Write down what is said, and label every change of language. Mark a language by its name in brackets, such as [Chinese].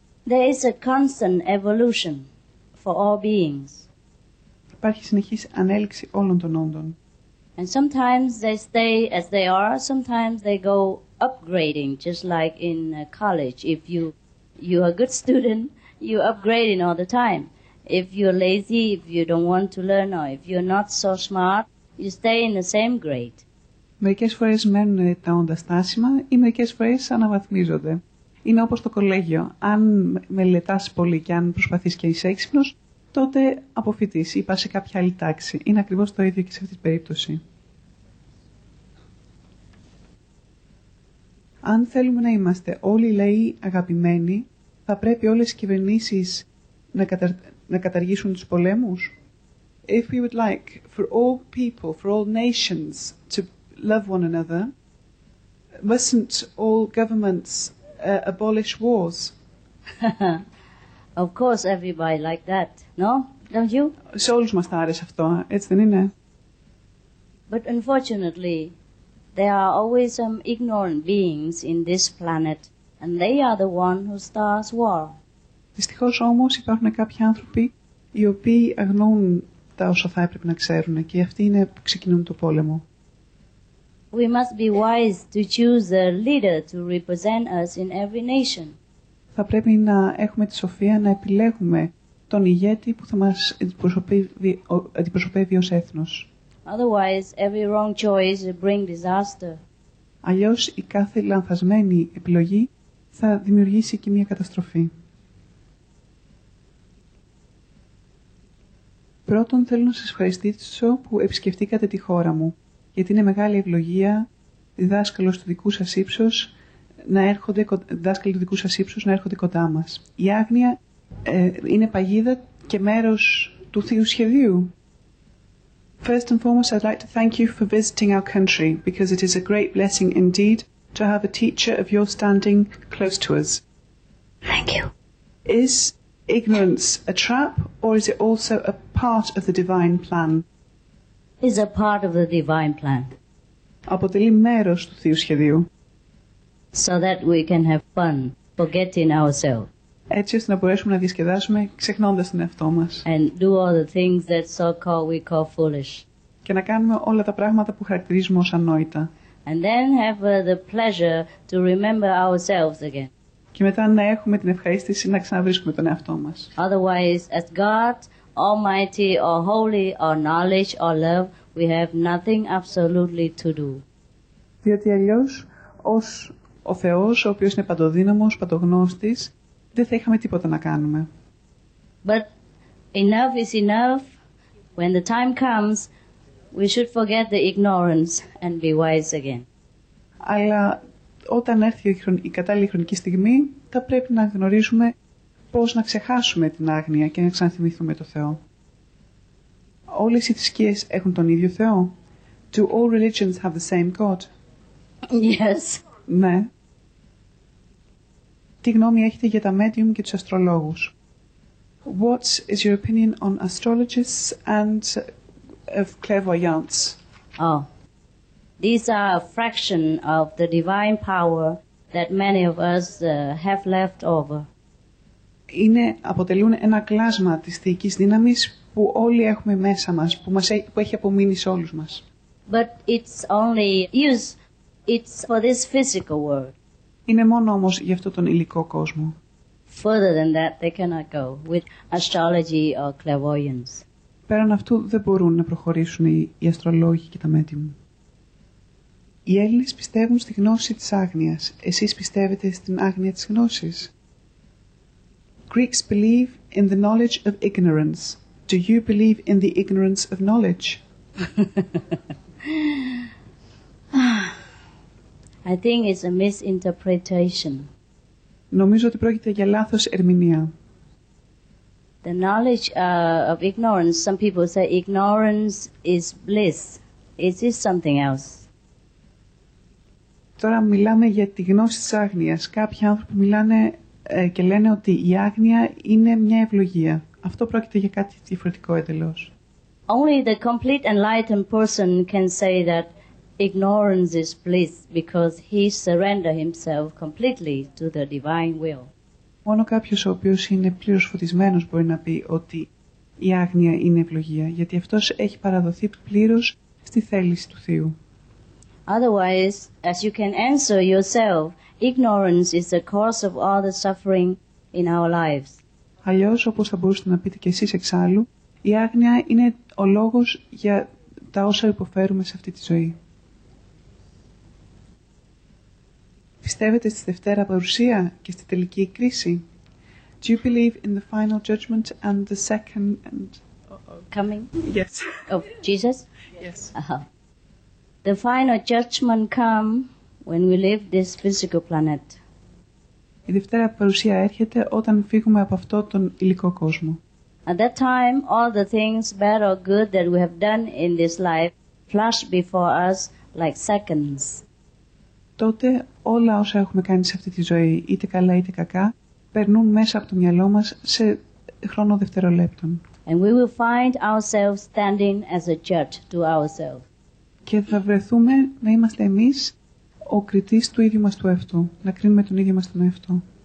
[English] There is a constant evolution for all beings. [Greek] Υπάρχει συνεχής ανέλυξη όλων των όντων. [English] And sometimes they stay as they are, sometimes they go upgrading, just like in college. If you are a good student, you upgrading all the time. If you're lazy, if you don't want to learn, or if you're not so smart, you stay in the same grade. [Greek] Μερικές φορές μένουν τα όντα στάσιμα ή μερικές φορές αναβαθμίζονται. Είναι όπως το κολέγιο. Αν μελετάς πολύ και αν προσπαθείς και είσαι έξυπνος, τότε αποφοιτείς ή πας σε κάποια άλλη τάξη. Είναι ακριβώς το ίδιο και σε αυτή την περίπτωση. Αν θέλουμε να είμαστε όλοι λαοί αγαπημένοι, θα πρέπει όλες οι κυβερνήσεις να καταργήσουν τους πολέμους. [English] If we would like for all people, for all nations to love one another, mustn't all governments abolish wars? Of course everybody like that, no? Don't you? [Greek] Σε όλους μας θα άρεσε αυτό, έτσι δεν είναι? [English] But unfortunately, there are always some ignorant beings in this planet, and they are the one who starts war. [Greek] Δυστυχώς όμως υπάρχουν κάποιοι άνθρωποι οι οποίοι αγνοούν τα όσα θα έπρεπε να ξέρουν και αυτοί είναι που ξεκινούν το πόλεμο. [English] We must be wise to choose a leader to represent us in every nation. [Greek] Θα πρέπει να έχουμε τη σοφία να επιλέγουμε τον ηγέτη που θα μας αντιπροσωπεύει ως έθνος. [English] Otherwise, every wrong choice will bring disaster. [Greek] Αλλιώς η κάθε λανθασμένη επιλογή θα δημιουργήσει και μια καταστροφή. Πρώτον, θέλω να σας ευχαριστήσω που επισκεφτήκατε τη χώρα μου, γιατί είναι μεγάλη ευλογία διδάσκαλος του δικού σας ύψους να έρχονται, διδάσκαλοι του δικού σας ύψους να έρχονται κοντά μας. Η άγνοια είναι παγίδα και μέρος του θείου σχεδίου. [English] First and foremost, I'd like to thank you for visiting our country, because it is a great blessing indeed to have a teacher of your standing close to us. Thank you. Is ignorance a trap, or is it also a part of the divine plan? It's a part of the divine plan. [Greek] Αποτελεί μέρος του θείου σχεδίου. [English] So that we can have fun forgetting ourselves. [Greek] Έτσι ώστε να μπορέσουμε να διασκεδάσουμε ξεχνώντας τον εαυτό μας. [English] And do all the things that so-called we call foolish. [Greek] Και να κάνουμε όλα τα πράγματα που χαρακτηρίζουμε ως ανόητα. [English] And then have the pleasure to remember ourselves again. [Greek] Και μετά να έχουμε την ευχαρίστηση να ξαναβρίσκουμε τον εαυτό μας. [English] Otherwise, as God, Almighty, or Holy, or Knowledge, or Love, we have nothing absolutely to do. [Greek] Διότι αλλιώς, ως ο Θεός, ο οποίος είναι παντοδύναμος, παντογνώστης, δεν θα είχαμε τίποτα να κάνουμε. [English] But enough is enough. When the time comes, we should forget the ignorance and be wise again. [Greek] Αλλά όταν έρθει η κατάλληλη χρονική στιγμή, θα πρέπει να γνωρίζουμε πώς να ξεχάσουμε την άγνοια και να ξαναθυμηθούμε το Θεό. Όλες οι θρησκείες έχουν τον ίδιο Θεό. [English] Do all religions have the same God? Yes. [Greek] Ναι. Τι γνώμη έχετε για τα medium και τους αστρολόγους? [English] What is your opinion on astrologists and of clairvoyants? Oh, these are a fraction of the divine power that many of us have left over. [Greek] Αποτελούν ένα κλάσμα της θεϊκής δύναμης που όλοι έχουμε μέσα μας, που έχει απομείνει σε όλους μας. [English] But it's only use. It's for this physical world. [Greek] Είναι μόνο όμως γι' αυτό τον υλικό κόσμο. [English] Further than that, they cannot go with astrology or clairvoyance. [Greek] Πέραν αυτού δεν μπορούν να προχωρήσουν οι αστρολόγοι και τα μέντιουμ. Οι Έλληνες πιστεύουν στη γνώση της άγνοιας. Εσείς πιστεύετε στην άγνοια της γνώσης. [English] Greeks believe in the knowledge of ignorance. Do you believe in the ignorance of knowledge? I think it's a misinterpretation. [Greek] Νομίζω ότι πρόκειται για λάθος ερμηνεία. [English] The knowledge of ignorance, some people say ignorance is bliss. Is this something else? [Greek] Τώρα μιλάμε για τη γνώση της άγνοιας. Κάποιοι άνθρωποι μιλάνε και λένε ότι η άγνοια είναι μια ευλογία. Αυτό πρόκειται για κάτι διαφορετικό εντελώς. [English] Only the complete enlightened person can say that ignorance is bliss because he surrendered himself completely to the divine will. [Greek] Μόνο κάποιος ο οποίος είναι πλήρως φωτισμένος μπορεί να πει ότι η άγνοια είναι ευλογία, γιατί αυτός έχει παραδοθεί πλήρως στη θέληση του Θεού. [English] Otherwise, as you can answer yourself, ignorance is the cause of all the suffering in our lives. [Greek] Αλλιώς, όπως θα μπορούσατε να πείτε και εσείς εξάλλου, η άγνοια είναι ο λόγος για τα όσα υποφέρουμε σε αυτή τη ζωή. Πιστεύετε στη Δευτέρα Παρουσία και στη τελική κρίση? [English] Do you believe in the final judgment and the second and... coming? Yes. Of Jesus? Yes. The final judgment come when we leave this physical planet. [Greek] Η Δευτέρα Παρουσία έρχεται όταν φύγουμε από αυτό τον υλικό κόσμο. [English] At that time, all the things, bad or good, that we have done in this life, flash before us like seconds. [Greek] Τότε όλα όσα έχουμε κάνει σε αυτή τη ζωή, είτε καλά είτε κακά, περνούν μέσα από το μυαλό μας σε χρόνο δευτερολέπτων. [English] And we will find ourselves standing as a judge to ourselves. [Greek] Και θα βρεθούμε να είμαστε εμείς ο κριτής του ίδιου μας του εαυτού, να κρίνουμε τον ίδιο μας τον εαυτό.